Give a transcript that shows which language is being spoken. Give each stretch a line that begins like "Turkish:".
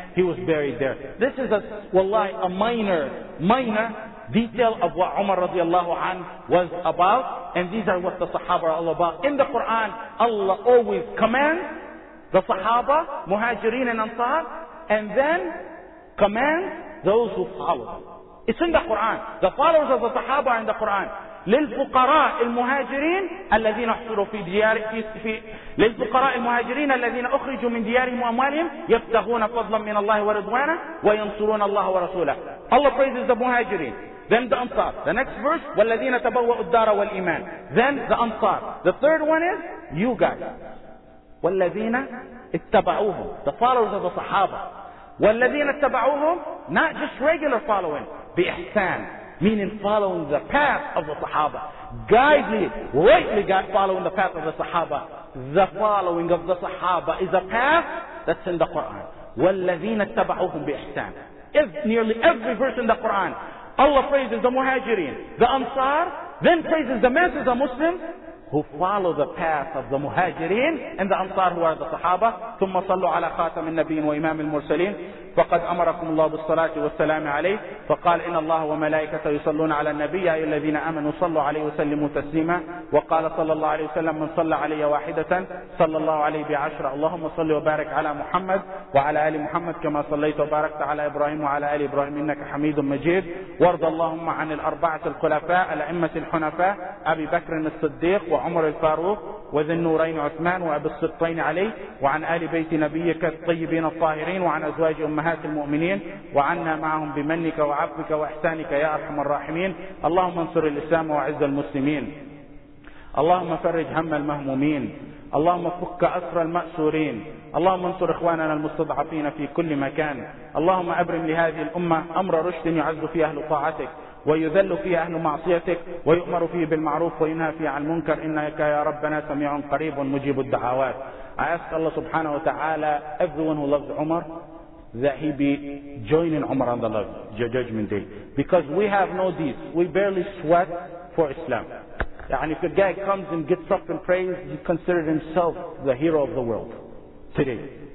English: And he was buried there. This is a, wallahi, a minor detail of what Umar radiallahu anhu was about. And these are what the Sahaba are all about. In the Quran, Allah always commands the Sahaba, Muhajirin and Ansar, and then command those who follow them. It's in the Quran. The followers of the Sahaba are in the Quran.
Arabic: للفقراء المهاجرين الذين احصروا في ديار في للفقراء المهاجرين الذين اخرجوا من ديارهم واموالهم يبتغون فضلا من الله ورضوانه وينصرون الله ورسوله.
English: Allah praises the muhajirin. Then the ansar. The next verse,
Arabic: والذين تبوأوا الدار والايمان.
English: Then the ansar. The third one is you guys.
Arabic: والذين اتبعوهم,
English: the followers of the Sahaba.
Arabic: والذين اتبعوهم,
English: not just regular following,
Arabic: بإحسان,
English: meaning following the path of the Sahaba. Guidely, rightly got following the path of the Sahaba. The following of the Sahaba is a path that's in the Quran.
Arabic: والذين اتبعوهم بإحسان.
English: If nearly every verse in the Quran, Allah praises the Muhajirin, the Ansar, then praises the masses of Muslims who follow the path of the Muhajirin and the Ansar who are the Sahaba.
Arabic: ثم صلوا على خاتم النبيين وإمام المرسلين فقد أمركم الله بالصلاة والسلام عليه فقال إن الله وملائكته يصلون على النبي أي الذين آمنوا صلوا عليه وسلموا تسليما وقال صلى الله عليه وسلم من صلى علي واحدة صلى الله عليه بعشرة اللهم صل وبارك على محمد وعلى آل محمد كما صليت وباركت على إبراهيم وعلى آل إبراهيم إنك حميد مجيد وارض اللهم عن الأربعة الخلفاء الأئمة الحنفاء أبي بكر الصديق وعمر الفاروق وذي النورين عثمان وأبي الصديقين علي وعن آل بيت نبيك الطيبين الطاهرين وعن أزواج أمهات المؤمنين وعنا معهم بمنك وعفوك وإحسانك يا أرحم الراحمين اللهم انصر الإسلام وعز المسلمين اللهم فرج هم المهمومين اللهم فك أسر المأسورين اللهم انصر إخواننا المستضعفين في كل مكان اللهم أبرم لهذه الأمة أمر رشد يعز فيه أهل طاعتك ويذل فيها أهل معصيتك ويؤمر فيه بالمعروف وينهى فيه عن المنكر إنك يا ربنا سميع قريب مجيب الدعوات.
English: I ask Allah subhanahu wa ta'ala, everyone who loves Umar, that he be joining Umar on the judgment day. Because we have no deeds. We barely sweat for Islam. And if a guy comes and gets up and prays, he considers himself the hero of the world today.